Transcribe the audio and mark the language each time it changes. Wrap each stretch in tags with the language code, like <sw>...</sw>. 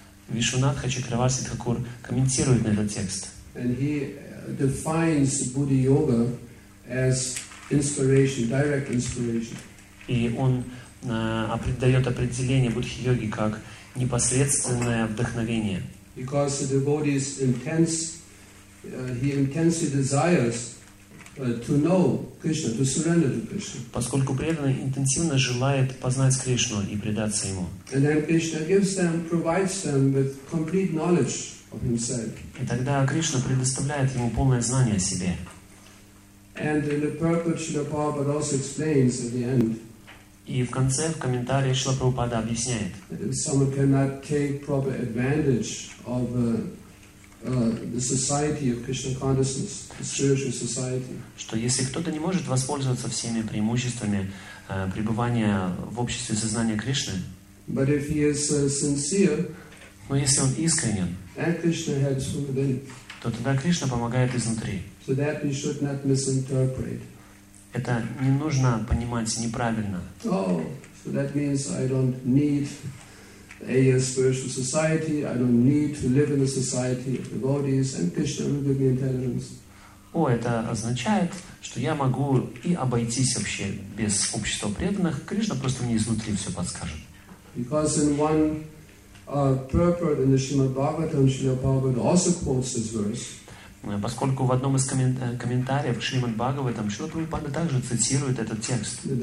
<ru>Вишванатха Чакраварти Тхакур комментирует на этот текст.</ru> <en>And he defines Buddha Yoga as inspiration, direct inspiration.</en> <ru>И он дает определение Буддхи-йоги как непосредственное вдохновение.</ru> <en>Because the devotee is intense, he intensely desires to know Krishna, to surrender to Krishna.</en> <ru>Поскольку преданный интенсивно желает познать Кришну и предаться ему.</ru> <en>And then Krishna gives them, provides them with complete knowledge of himself.</en> <ru>И тогда Кришна предоставляет ему полное знание о себе.</ru> <en>And in the purport, Srila Prabhupada also explains at the end.</en> <ru>И в конце, в комментарии, Шрила Прабхупада объясняет.</ru> <en>If someone cannot take proper advantage of the society of Krishna consciousness, the spiritual society.</en> <ru>Что если кто-то не может воспользоваться всеми преимуществами пребывания в обществе сознания Кришны,</ru> <en>but if he is sincere,</en> <ru>но если он искренен,</ru> <en>and Krishna helps from within,</en> <ru>то тогда Кришна помогает изнутри.</ru> <en>So that we should not misinterpret.</en> <ru>Это не нужно понимать неправильно.</ru> <en>Oh, so that means I don't need a spiritual society, I don't need to live in a society of devotees, and Krishna will give me intelligence.</en> <ru>О, это означает, что я могу и обойтись вообще без общества преданных, Кришна просто мне изнутри все подскажет.</ru> <en>Because in one purport in the Srimad Bhagavatam, Srila Prabhupada also quotes this verse.</en> <ru>Поскольку в одном из комментариев к Шримад Бхагаватам Шрила Прабхупада также цитирует этот текст.</ru>